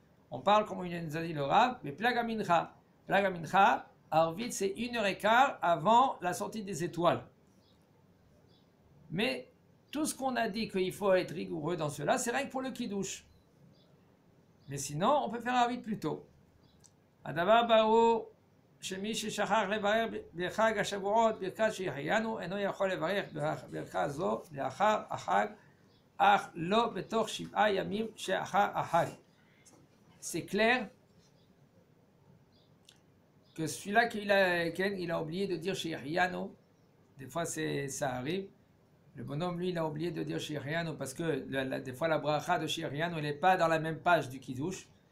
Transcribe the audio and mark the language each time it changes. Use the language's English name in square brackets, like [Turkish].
[French] On parle comme il nous a dit le Rav, mais Plagamincha, Arvit, c'est 1h15 avant la sortie des étoiles. Mais tout ce qu'on a dit qu'il faut être rigoureux dans cela, c'est rien que pour le Kiddush. Mais sinon, on peut faire Arvit plus tôt. [Hebrew] Adavar Baro, שמי ששכח לברך בחג השבועות ברכת שהחיינו אינו יכול לברך ברכה זו לאחר החג, אך לא בתוך שבעה ימים שאחר החג. [French] C'est clair que celui-là qu'il a oublié de dire chez Yahyano, des fois ça arrive, le bonhomme lui il a oublié de dire chez Yahyano parce que des fois la bracha de chez Yahyano elle n'est pas dans la même page du Kiddush.